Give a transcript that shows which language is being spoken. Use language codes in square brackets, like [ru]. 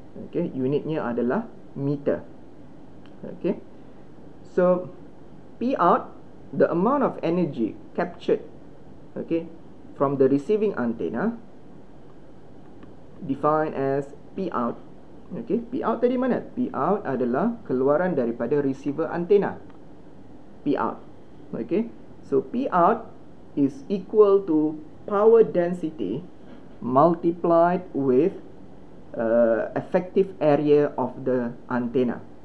[ms] Okey, unitnya adalah meter. Okey. [en] So P out, the amount of energy captured, okay, from the receiving antenna, defined as P out. [ms] Okay, P out tadi mana? P out adalah keluaran daripada receiver antenna. P out. [en] Okay, so P out is equal to power density multiplied with effective area of the antenna.